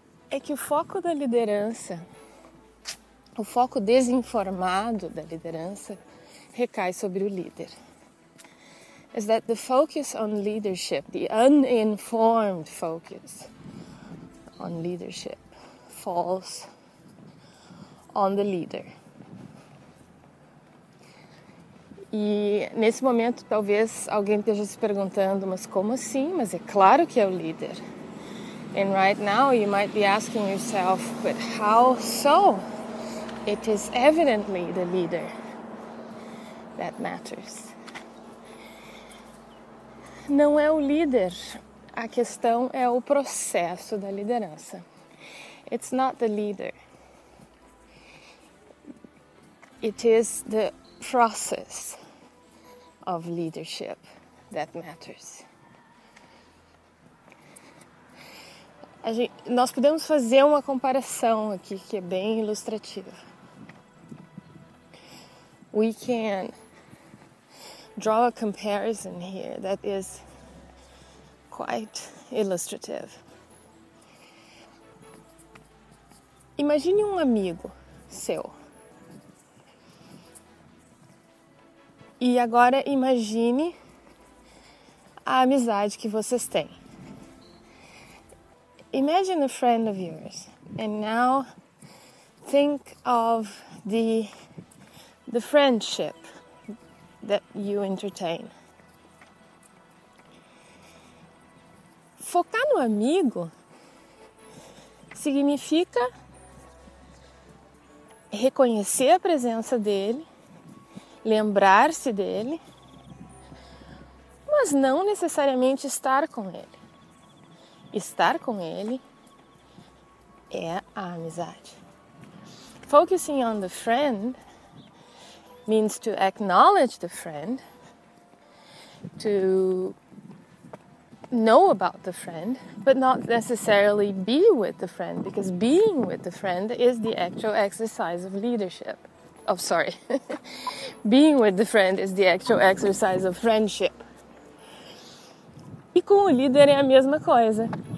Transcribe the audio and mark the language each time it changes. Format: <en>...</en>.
<pt>é que o foco da liderança, o foco desinformado da liderança, recai sobre o líder.</pt> <en>Is that the focus on leadership, the uninformed focus on leadership, falls on the leader.</en> <pt>E nesse momento, talvez alguém esteja se perguntando, mas como assim? Mas é claro que é o líder.</pt> <en>And right now you might be asking yourself, but how so? It is evidently the leader that matters.</en> <pt>Não é o líder. A questão é o processo da liderança.</pt> <en>It's not the leader. It is the process of leadership that matters.</en> <pt>Nós podemos fazer uma comparação aqui que é bem ilustrativa.</pt> <en>We can draw a comparison here that is quite illustrative.</en> <pt>Imagine um amigo seu. E agora imagine a amizade que vocês têm.</pt> <en>Imagine a friend of yours. And now think of the friendship that you entertain.</en> <pt>Focar no amigo significa reconhecer a presença dele, lembrar-se dele, mas não necessariamente estar com ele. Estar com ele é a amizade.</pt> <en>Focusing on the friend means to acknowledge the friend, to know about the friend, but not necessarily be with the friend, because being with the friend is the actual exercise of leadership. Oh, sorry. Being with the friend is the actual exercise of friendship.</en> <pt>E com o líder é a mesma coisa.</pt>